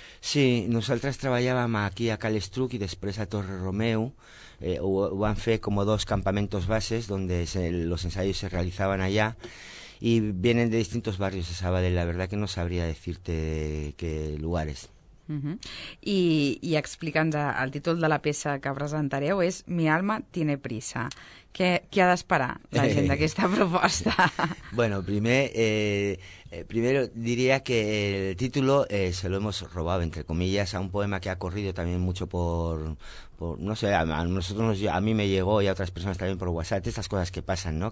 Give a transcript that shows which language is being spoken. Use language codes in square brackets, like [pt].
[es] Sí, nosotras trabajábamos aquí a Cal Estruc y después a Torre Romeu. Van fe como dos campamentos bases donde los ensayos se realizaban allá. Y vienen de distintos barrios de Sabadell, la verdad que no sabría decirte qué lugares. Uh-huh. [ca] I explica'ns el títol de la peça que presentareu, és Mi alma tiene prisa. Què ha d'esperar la gent d'aquesta proposta? [es] Bueno, primero diría que el título se lo hemos robado, entre comillas, a un poema que ha corrido también mucho por no sé, a mí me llegó y a otras personas también por WhatsApp, estas cosas que pasan, ¿no?